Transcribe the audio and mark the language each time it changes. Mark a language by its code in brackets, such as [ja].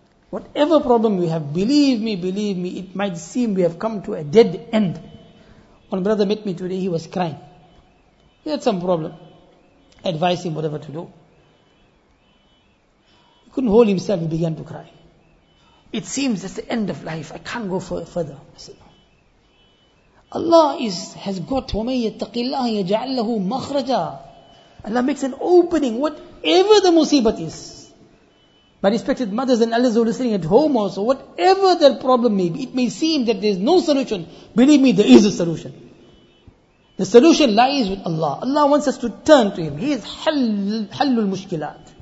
[en] Whatever problem we have, believe me, it might seem we have come to a dead end. One brother met me today, he was crying. He had some problem. Advise him whatever to do. He couldn't hold himself, he began to cry. It seems it's the end of life, I can't go further. I said, no. Allah has got, [ar] وَمَن يَتَّقِ اللَّهَ يَجْعَلْ لَهُ مَخْرَجًا. [en] Allah makes an opening, whatever the musibat is. My respected mothers and elders who are listening at home also, whatever the problem may be, it may seem that there is no solution. Believe me, there is a solution. The solution lies with Allah. Allah wants us to turn to Him. He is halul mushkilat.